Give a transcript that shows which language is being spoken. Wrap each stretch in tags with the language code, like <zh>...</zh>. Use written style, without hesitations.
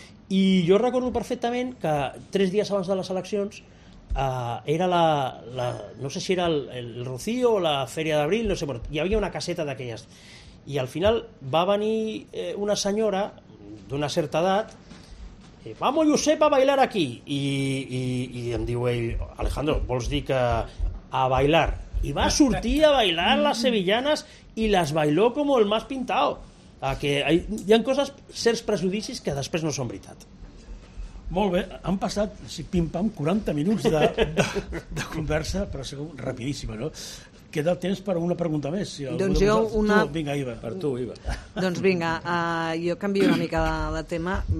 <ca>I jo recordo perfectament que 3 dies abans de les eleccions era no sé si era el Rocío o la Feria d'Abril, no sé, bueno, hi havia una caseta d'aquelles. I al final va venir una senyora d'una certa edat.</ca> <es>Vamos, Josep, a bailar aquí.</es> <ca>I em diu ell: Alejandro, vols dir que a bailar? I va sortir a bailar les sevillanes i les</ca> <es>bailó</es> <ca>com</ca> <es>el más pintado.</es> <ca>Que hi ha coses, certs prejudicis que després no són veritat. Molt bé, han passat, si pim-pam, 40 minuts de conversa, però ha sigut rapidíssima, no? Queda temps per una pregunta més. Si doncs jo una... Tu, vinga, Iva. Per tu, Iva. Doncs vinga, jo canvio una mica de tema.</ca>